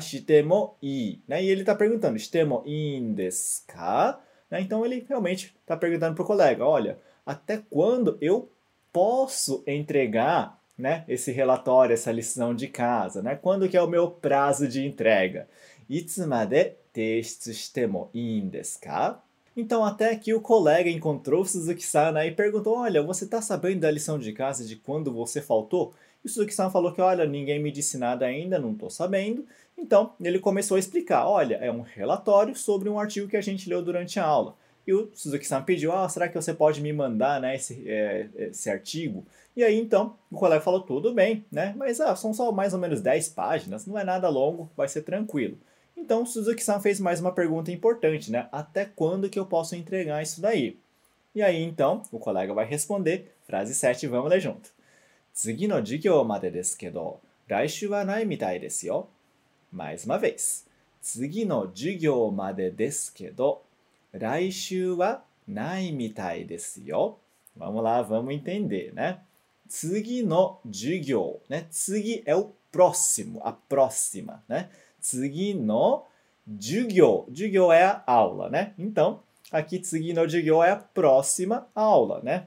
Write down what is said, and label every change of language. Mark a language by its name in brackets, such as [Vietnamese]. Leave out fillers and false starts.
[Japanese] Shite mo i, né? [Portuguese] E ele está perguntando, [Japanese] shite mo in desu ka? [Portuguese] Né? Então, ele realmente está perguntando para o colega, olha, até quando eu posso entregar, né, esse relatório, essa lição de casa, né? Quando que é o meu prazo de entrega? [Japanese] いつまで提出してもいいんですか? [Portuguese] Então, até que o colega encontrou o Suzuki-san, né, e perguntou, olha, você está sabendo da lição de casa de quando você faltou? E o Suzuki-san falou que, olha, ninguém me disse nada ainda, não estou sabendo. Então, ele começou a explicar, olha, é um relatório sobre um artigo que a gente leu durante a aula. E o Suzuki-san pediu, ah, será que você pode me mandar, né, esse artigo? E aí, então, o colega falou, tudo bem, né? Mas são só mais ou menos 10 páginas, não é nada longo, vai ser tranquilo. Então, o Suzuki-san fez mais uma pergunta importante, né? Até quando que eu posso entregar isso daí? E aí, então, o colega vai responder, frase 7, vamos ler junto. [Japanese] 次の授業までですけど、来週はないみたいですよ。 [Portuguese] Mais uma vez. [Japanese] 次の授業までですけど、来週はないみたいですよ。 [Portuguese] Vamos lá, vamos entender, né? [Japanese] 次の授業, né? [Portuguese] 次 é o próximo, a próxima, né? 次の授業, 授業é a aula, né? Então, aqui 次の授業 é a próxima aula, né?